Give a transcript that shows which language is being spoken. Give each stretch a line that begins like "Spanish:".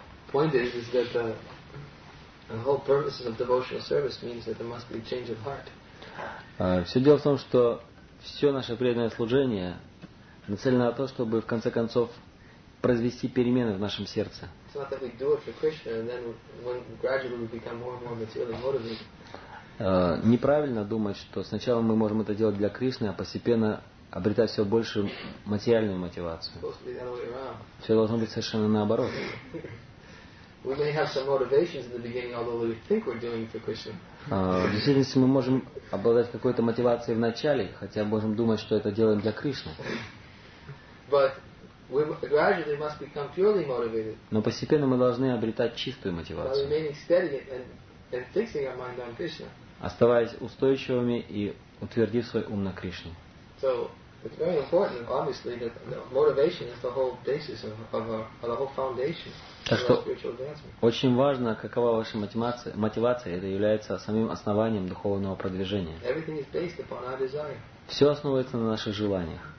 English: Point is that the whole purpose of devotional service means that there must be a change of heart.
Russian: Все дело в том, что все наше преданное служение нацелено на то, чтобы в конце концов произвести перемены в нашем сердце.
English: It's not that we do it for Krishna, and then when gradually we become more and more materially motivated.
Russian: Неправильно думать, что сначала мы можем это делать для Кришны, а постепенно обретать все большую материальную мотивацию.
English: It's supposed to be the other way around.
Russian: Все должно быть совершенно наоборот.
English: We may have some motivations in the beginning, although we think we're doing it for Krishna.
Russian: В действительности мы можем обладать какой-то мотивацией в начале, хотя можем думать, что это делаем для Кришны.
English: But we gradually must become purely motivated.
Russian: Но постепенно мы должны обретать чистую мотивацию.
English: By remaining steady and fixing our mind on Krishna.
Russian: Оставаясь устойчивыми и утвердив свой ум на Кришне.
English: So it's very important, obviously, that motivation is the whole basis of the whole foundation.
Russian: Так что очень важно, какова ваша мотивация. Мотивация это является самим основанием духовного продвижения.
English: Everything is based upon our desire.
Russian: Все основывается на наших желаниях.